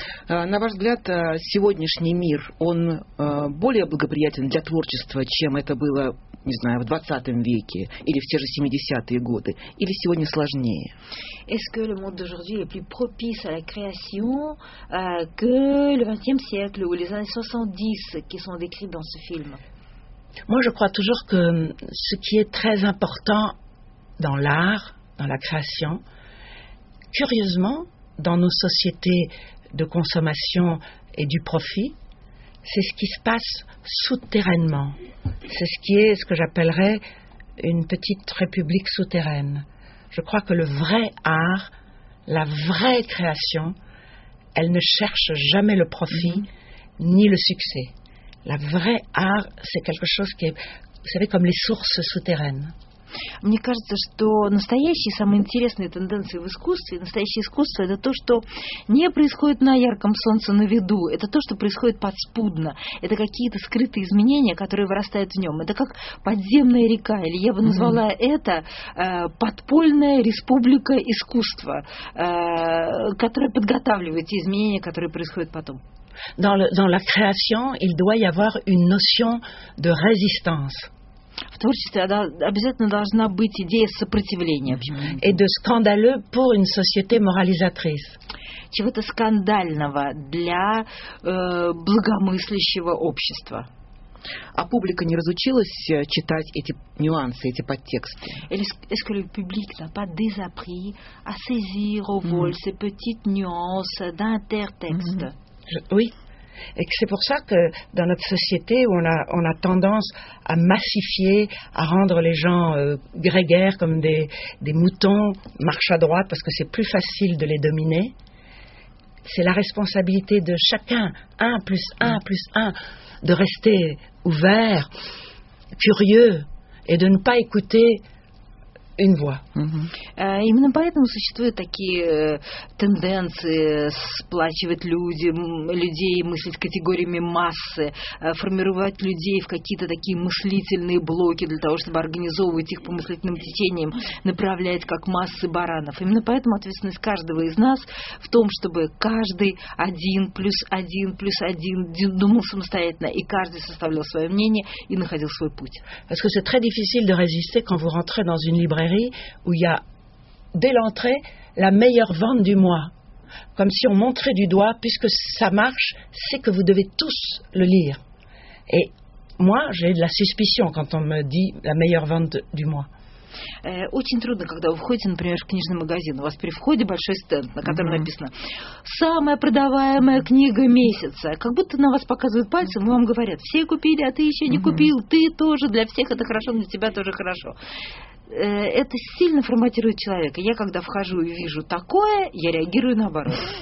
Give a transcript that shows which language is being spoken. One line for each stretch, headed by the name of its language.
Russian: На ваш взгляд, сегодняшний мир, он более благоприятен для творчества, чем это было, не знаю, в 20 веке или в те же 70-е годы, или сегодня сложнее?
French: Est-ce que le monde d'aujourd'hui est plus propice à la création que le 20e siècle ou les années 70 qui sont décrites dans ce film? Moi, je crois toujours que ce qui est très important dans l'art, dans la création, curieusement, dans nos sociétés de consommation et du profit, c'est ce qui se passe souterrainement. C'est ce qui est ce que j'appellerais une petite république souterraine. Je crois que le vrai art, la vraie création, elle ne cherche jamais le profit ni le succès. La vraie art, c'est quelque chose qui est, vous savez, comme les sources souterraines.
Russian: Мне кажется, что настоящие самые интересные тенденции в искусстве, настоящее искусство – это то, что не происходит на ярком солнце на виду, это то, что происходит подспудно, это какие-то скрытые изменения, которые вырастают в нем. Это как подземная река, или я бы назвала это подпольная республика искусства, которая подготавливает те изменения, которые происходят потом.
French: Dans la création, il doit y avoir une notion de résistance.
Russian: В творчестве обязательно должна быть идея сопротивления.
French: Et de scandaleux pour une société moralisatrice.
Russian: Чего-то скандального для благомыслящего общества. А публика не разучилась читать эти нюансы, эти подтексты?
French: Est-ce que le public n'a pas désappris à saisir au vol ces petites nuances d'intertexte? Oui. Et que c'est pour ça que dans notre société, où on a tendance à massifier, à rendre les gens grégaires comme des moutons, marche à droite parce que c'est plus facile de les dominer, c'est la responsabilité de chacun, 1 + 1 + 1, de rester ouvert, curieux et de ne pas écouter une voix.
Russian: Именно поэтому существуют такие тенденции сплачивать людей, мыслить категориями массы, формировать людей в какие-то такие мыслительные блоки для того, чтобы организовывать их по мыслительным течениям, направлять как массы баранов. Именно поэтому ответственность каждого из нас в том, чтобы каждый один плюс один плюс один думал самостоятельно, и каждый составлял свое мнение и находил свой путь.
French: Parce que c'est très difficile de résister quand vous rentrez dans une librairie où il y a, dès l'entrée, la meilleure vente du mois. Comme si on montrait du doigt, puisque ça marche, c'est que vous devez tous le lire. Et moi, j'ai de la suspicion quand on me dit la meilleure vente du mois.
Russian: Очень трудно, когда вы входите, например, в книжный магазин. У вас при входе большой стенд, на котором написано «Самая продаваемая книга месяца». Как будто на вас показывают пальцем, и вам говорят: «Все купили, а ты еще не купил, ты тоже, для всех это хорошо, для тебя тоже хорошо». Это сильно форматирует человека. Я когда вхожу и вижу такое, я реагирую наоборот.